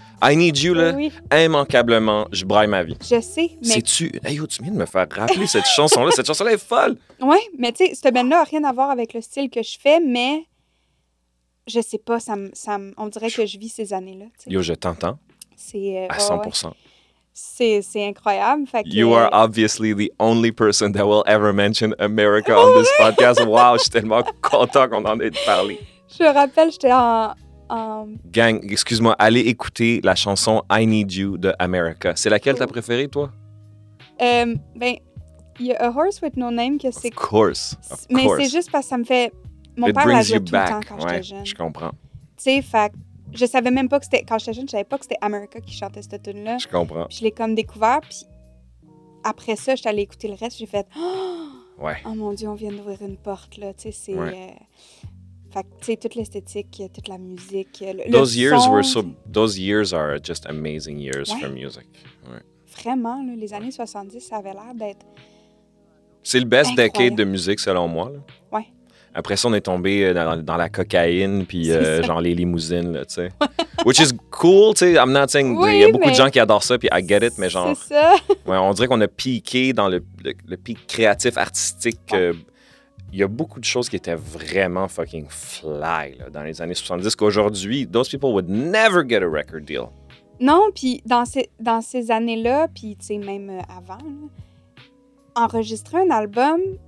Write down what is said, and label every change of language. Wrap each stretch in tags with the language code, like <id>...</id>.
<fr>I Need You, là, immanquablement, je braille ma vie. Je sais, mais... C'est-tu... Hey, yo, tu viens de me faire rappeler cette chanson-là. Cette chanson-là est folle. Oui, mais tu sais, cette band-là n'a rien à voir avec le style que je fais, mais je sais pas, on dirait que je vis ces années-là. T'sais. Yo, je t'entends. C'est... À 100%. Ouais. C'est incroyable. Fait que...</fr> <en>You are obviously the only person that will ever mention America on this podcast.</en> <fr>Wow, je suis tellement content qu'on en ait parlé. Je me rappelle, j'étais en... Gang, excuse-moi, allez écouter la chanson I Need You de America. C'est laquelle t'as préférée, toi? Il y a A Horse With No Name que c'est...</fr> <en>Of course.</en> <fr>Mais c'est juste parce que ça me fait... Mon It père brings l'a dit tout back. Le temps quand j'étais jeune. Je comprends. Tu sais, fait... Je savais même pas que c'était... Quand j'étais jeune, je savais pas que c'était America qui chantait cette tune-là. Je comprends. Puis je l'ai comme découvert. Puis après ça, je suis allée écouter le reste. J'ai fait... Oh! Ouais. Oh mon Dieu, on vient d'ouvrir une porte, là. Tu sais, c'est... Ouais. Fait que, tu sais, toute l'esthétique, toute la musique,</fr> <en>Those years are just amazing years for music.</en> <fr>Ouais. Vraiment, là. Les années 70, ça avait l'air d'être... C'est le best decade de musique, selon moi, là. Ouais. Après ça, on est tombé dans la cocaïne, puis genre les limousines, là, tu sais.</fr> <en>Which is cool,</en> <fr>tu sais.</fr> <en>I'm not saying.</en> <fr>Il y a beaucoup de gens qui adorent ça, puis</fr> <en>I get it,</en> <fr>mais genre. C'est ça. Ouais, on dirait qu'on a piqué dans le pic créatif, artistique. Ouais. Il y a beaucoup de choses qui étaient vraiment fucking fly, là, dans les années 70, qu'aujourd'hui,</fr> <en>those people would never get a record deal.</en> <fr>Non, puis dans ces années-là, puis tu sais, même avant, là, enregistrer un album.</fr>